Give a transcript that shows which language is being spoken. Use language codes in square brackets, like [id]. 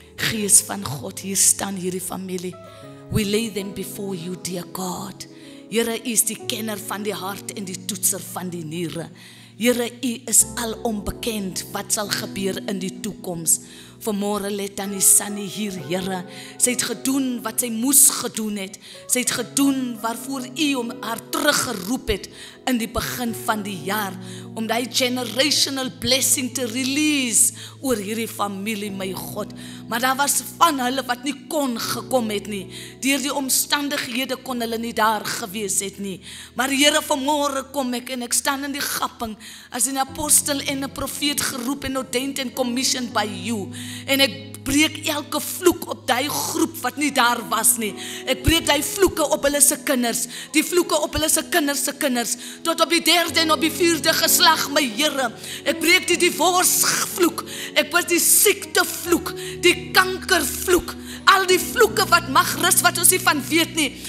[af] Gees van God, hier staan hierdie familie. [en] We lay them before you, dear God. [af] Here is die kenner van die hart en die toetser van die niere. Here, U is al onbekend wat sal gebeur in die toekoms. Vanmorgen let Tannie Sannie hier, Here. Sy het gedoen wat sy moes gedoen het. Sy het gedoen waarvoor U om haar teruggeroep het in die begin van die jaar. Om die generational blessing te release oor hierdie familie, my God. Maar daar was van hulle wat nie kon gekom het nie. Deur die omstandighede kon hulle nie daar gewees het nie. Maar Here, vanmorgen kom ek en ek staan in die gapping as een apostel en een profeet geroep en [en] ordained and commissioned by you. [af] En ek breek elke vloek op die groep wat nie daar was nie. Ek breek die vloeke op hulle se kinders, die vloeke op hulle se kinders, tot op die derde en op die vierde geslag, my Here. Ek breek die divorce vloek, ek was die siekte vloek, die kanker vloek, al die vloeke wat mag rus, wat ons nie van weet nie.